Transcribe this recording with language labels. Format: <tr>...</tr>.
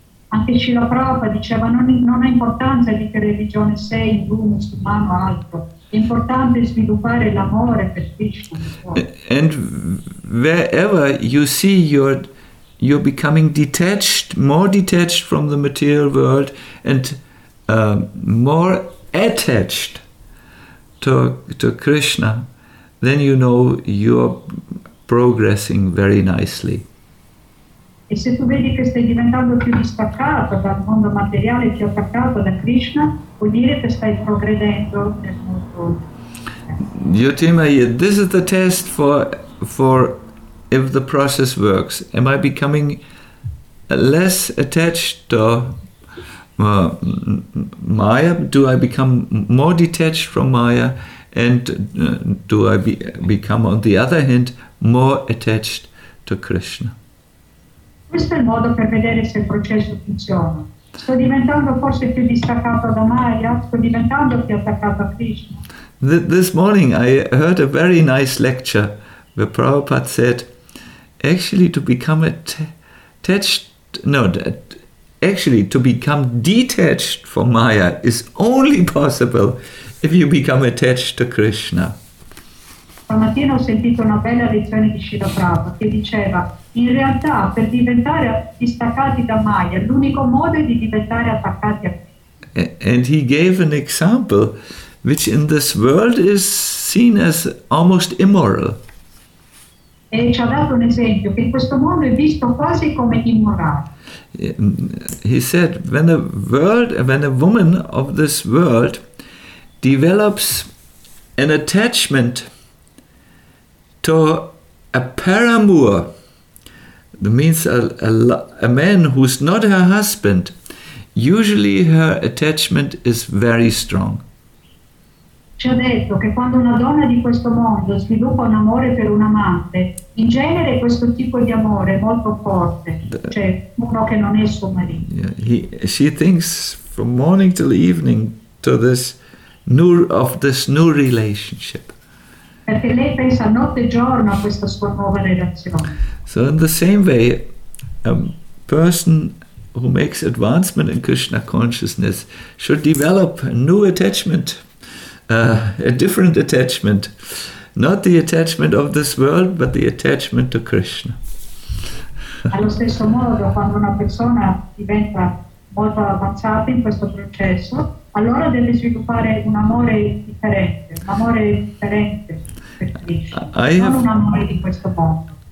<it>Anche Srila Prabhupada diceva, non ha importanza di che religione sei, Hindu, musulmano o altro. L'importante è sviluppare l'amore per Krishna.</it> <en>And wherever you see you're becoming detached, more detached from the material world and more attached to Krishna, then you know you're progressing very nicely.</en> <it>E se tu vedi che stai diventando più distaccato dal mondo materiale, più attaccato da Krishna, vuol dire che stai progredendo nel mondo.</it> <en>Yotima, this is the test for if the process works. Am I becoming less attached to Maya? Do I become more detached from Maya? And do I become, on the other hand, more attached to Krishna?</en> <it>Questo è il modo per vedere se il processo funziona. Sto diventando forse più distaccato da Maya? Sto diventando più attaccato a Krishna?</it> <en>This morning I heard a very nice lecture where Prabhupada said, to become detached from Maya is only possible if you become attached to Krishna.</en> <it>Stamattina ho sentito una bella lezione di Srila Prabhupada che diceva, in realtà per diventare distaccati da Maya, l'unico modo è di diventare attaccati a Krishna.</it> <en>And he gave an example which in this world is seen as almost immoral.</en> <it>E ci ha dato un esempio che in questo mondo è visto quasi come immorale.</it> <en>He said, when a woman of this world develops an attachment to a paramour, that means a man who's not her husband, usually her attachment is very strong.</en> <it>Ci ha detto che quando una donna di questo mondo sviluppa un amore per un amante, in genere questo tipo di amore è molto forte, cioè uno che non è suo marito.</it> <en>Yeah, she thinks from morning till evening to this new relationship.</en> <it>Perché lei pensa notte e giorno a questa sua nuova relazione.</it> <en>So in the same way, a person who makes advancement in Krishna consciousness should develop a new attachment. A different attachment, not the attachment of this world, but the attachment to Krishna.</en> <it>Allo stesso modo, quando una persona diventa molto avanzata in questo processo, allora deve sviluppare un amore differente per Krishna, non un amore di questo mondo.</it>